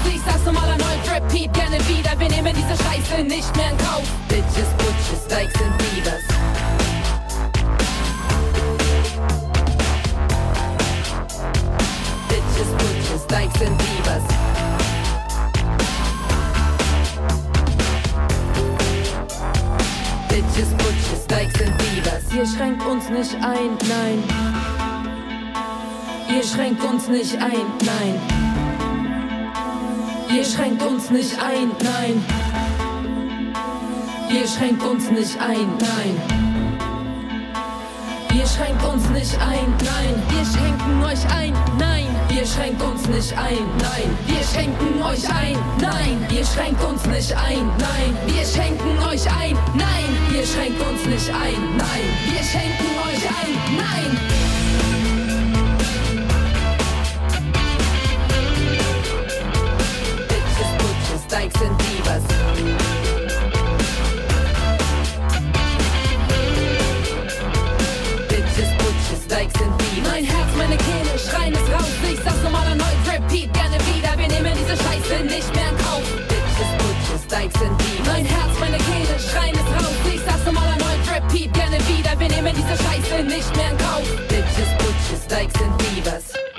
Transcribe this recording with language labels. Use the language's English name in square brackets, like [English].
[German] Ich sag's nochmal erneut, repeat gerne wieder. Wir nehmen diese Scheiße nicht mehr in Kauf. [English] Bitches, Butches, Dykes and Beavers. Bitches, Butches, Dykes and Beavers. Bitches, Butches, Dykes and Beavers. [German] Ihr schränkt uns nicht ein, nein. Ihr schränkt uns nicht ein, nein. Ihr schränkt uns nicht ein, nein. Ihr schränkt uns nicht ein, nein. Ihr schränkt uns nicht ein, nein. Wir schenken euch ein, nein. Ihr schränkt uns nicht ein, nein. Wir schenken euch ein, nein. Ihr schränkt uns nicht ein, nein. Wir schenken euch ein, nein. Ihr schränkt uns nicht ein, nein. Wir schenken euch ein, nein. [English] Dykes and Beavers. Bitches, Butches, Dykes and Beavers. [German] Mein Herz, meine Kehle, schreien es raus. Ich sag's nochmal erneut, repeat gerne wieder. Wir nehmen diese Scheiße nicht mehr in Kauf. [English] Bitches, Butches, Dykes and Beavers. [German] Mein Herz, meine Kehle, schreien es raus. Ich sag's nochmal erneut, repeat gerne wieder. Wir nehmen diese Scheiße nicht mehr in Kauf. [English] Bitches, Butches, Dykes and Beavers.